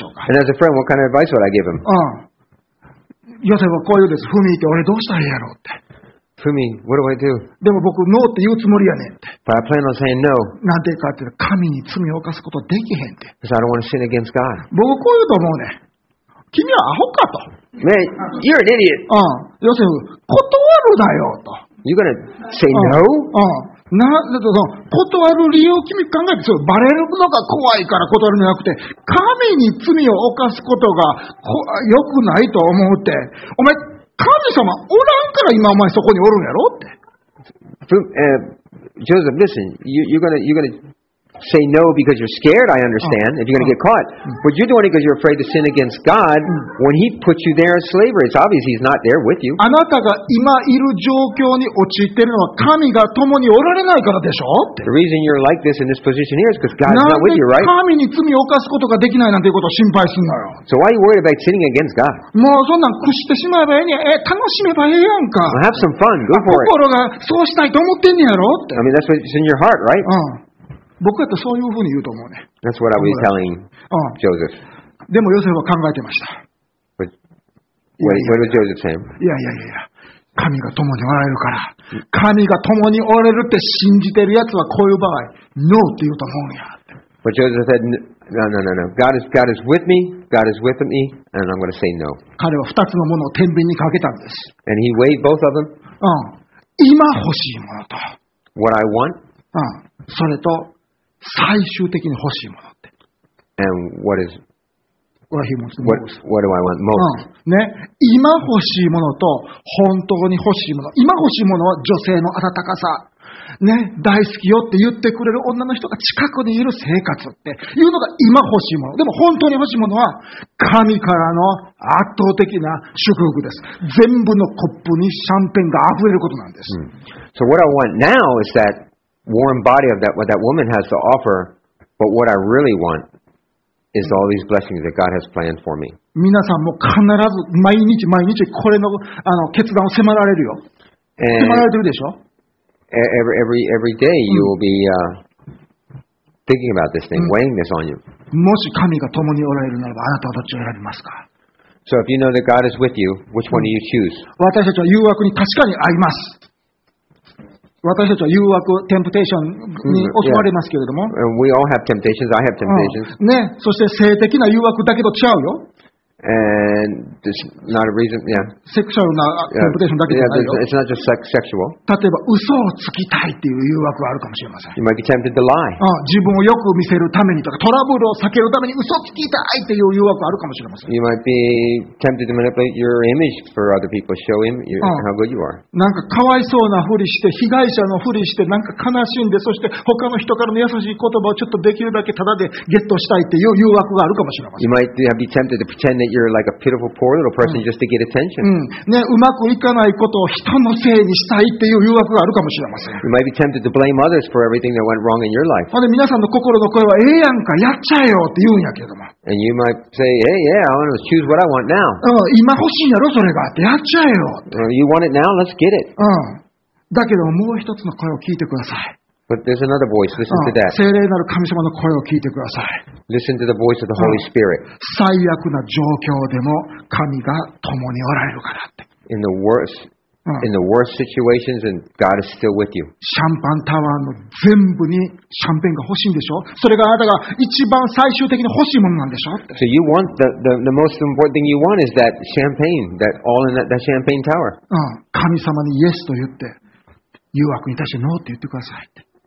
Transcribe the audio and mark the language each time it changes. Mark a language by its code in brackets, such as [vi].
[en] And as a friend, what kind of advice would I give him? [ja] Joseph はこう言うです。Fumi って俺どうしたらいいやろって。 [en] Fumi, what do I do? [ja] でも僕、ノーって言うつもりやねんって。 [en] But I plan on saying no. [ja] なんでかって神に罪を犯すことできへんって。 [en] Because I don't want to sin against God. [ja] 僕こう言うと思うね。君はアホかと。 [en] Man, you're an idiot. [ja] ヨセフ、断るなよと。 [en] You're gonna say no? [ja] なんだと、断る理由を君考えて、バレるのが怖いから断るんじゃなくて、神に罪を犯すことが良くないと思うって。お前、神様おらんから今お前そこにおるんやろって。 [en] Joseph, listen, you're gonna say no because you're scared, I understand, if you're gonna get caught. But you're doing it because you're afraid to sin against God when he put you there as slavery. It's obvious he's not there with you. [ja] あなたが今いる状況に陥っているのは神が共におられないからでしょ。 [en] The reason you're like this in this position here is because God's not with you, right? [ja] なんで神に罪を犯すことができないなんていうことを心配するのよ。 [en] So why are you worried about sinning against God? [ja] もうそんなん屈してしまえばいいね。楽しめばいいやんか。 [en] Well, have some fun. Go for it. [ja] 心がそうしたいと思ってんねやろ。 [en] I mean, that's what's in your heart, right? [ja] 僕だったらそういうふうに言うと思うね。 [en] That's what I was telling Joseph. [ja] でもヨセフは考えてました。 [en] What did Joseph say? [ja] いや。神が共におられるから。神が共におられるって信じてるやつはこういう場合、ノーって言うと思うんや。 [en] But Joseph said, no. God is with me. God is with me. And I'm going to say no. [ja] 彼は二つのものを天秤にかけたんです。 [en] And he weighed both of them. [ja] 今欲しいものと。 [en] What I want? [ja] それと最終的に欲しいものって。 [en] And what is what he wants most? What do I want most?、うん、 [ja] ね、今欲しいものと本当に欲しいもの。今欲しいものは女性の温かさ。ね、大好きよって言ってくれる女の人が近くにいる生活っていうのが今欲しいもの。でも本当に欲しいものは神からの圧倒的な祝福です。全部のコップにシャンペンが溢れることなんです。 [en] So what I want now is that warm body of that, what that woman has to offer, but what I really want is all these blessings that God has planned for me. [ja] 皆さんも必ず毎日毎日これの、あの決断を迫られるよ。迫られてるでしょ。 [en] Every day you will be、thinking about this thing, weighing this on you. [ja] もし神が共におられるならば、あなたはどっちを選びますか。 [en] So if you know that God is with you, which one do you choose? [ja] 私たちは誘惑に確かに合います。私たちは誘惑、テンプテーションに襲われますけれども。 [en] Yeah. We all have temptations. I have temptations.、 [ja] うん、ね、そして性的な誘惑だけと違うよ。 [en] And this not a reason, yeah. [ja] セクシャルなテンプテーションだけじゃないよ。 [en] Yeah, it's not just sexual. [ja] 例えば嘘をつきたいっていう誘惑はあるかもしれません。 [en] You might be tempted to lie. [ja] 自分をよく見せるためにとかトラブルを避けるために嘘をつきたいっていう誘惑はあるかもしれません。 [en] You might be tempted to manipulate your image for other people, show him how good you are. [ja] なんかかわいそうなふりして被害者のふりしてなんか悲しんでそして他の人からの優しい言葉をちょっとできるだけタダでゲットしたいっていう誘惑があるかもしれません。 [en] You might be tempted to pretend that you're like a pitiful poor little person just to get attention. [ja] ね、うまくいかないことを人のせいにしたいっていう誘惑があるかもしれません。 [en] You might be tempted to blame others for everything that went wrong in your life. [ja] で、皆さんの心の声はええやんか、やっちゃえよって言うんやけども。 [en] And you might say, hey, yeah, I want to choose what I want now. [ja] 今欲しいんやろ、それがって、やっちゃえよって。 [en] You want it now? Let's get it. [ja] だけどもう一つの声を聞いてください。 [en] But there's another voice. Listen to that. [ja] 聖霊なる神様の声を聞いてください。 [en] Listen to the voice of the Holy Spirit. [ja] 最悪な状況でも神が共におられるからって。 [en] In the worst situations, and God is still with you. [ja] シャンパンタワーの全部にシャンペンが欲しいんでしょ？それがあなたが一番最終的に欲しいものなんでしょ？って。 [en] So you want the most important thing you want is that champagne, that all in that champagne tower. [ja] 神様にイエスと言って、誘惑に対してノーって言ってくださいって。